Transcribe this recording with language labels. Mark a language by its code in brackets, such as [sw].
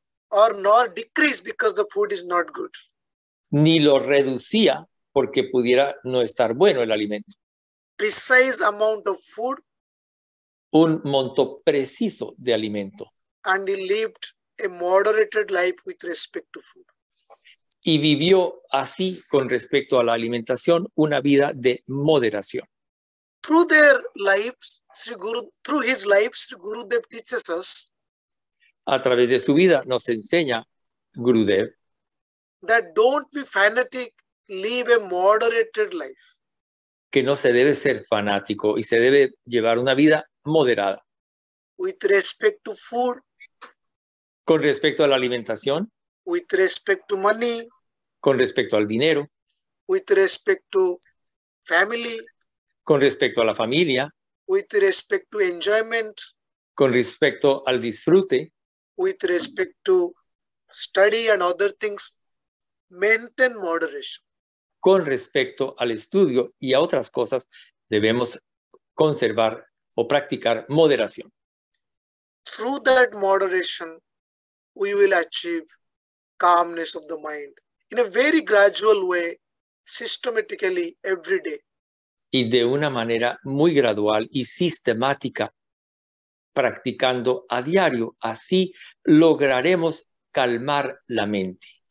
[en] Or nor decrease because the food is not good. [es] Ni lo reducía porque pudiera no estar bueno el alimento. [en] Precise amount of food. [es] Un monto preciso de alimento. [en] And he lived a moderated life with respect to food. [es] Y vivió así con respecto a la alimentación una vida de moderación. [en] Through their lives, Sri Guru, through his life, Sri Gurudev teaches us. [es] A través de su vida nos enseña Gurudev. [en] That don't be fanatic, live a moderated life. [es] Que no se debe ser fanático y se debe llevar una vida moderada. [en] With respect to food. [es] Con respecto a la alimentación. [en] With respect to money. [es] Con respecto al dinero. [en] With respect to family. [es] Con respecto a la familia. [en] With respect to enjoyment. [es] Con respecto al disfrute. [en] With respect to study and other things. Maintain moderation. [es] Con respecto al estudio y a otras cosas, debemos conservar o practicar moderación. [en] Through that moderation, we will achieve calmness of the mind in a very gradual way, systematically, every day. [es] Y de una manera muy gradual y sistemática, practicando a diario, así lograremos calmar la mente.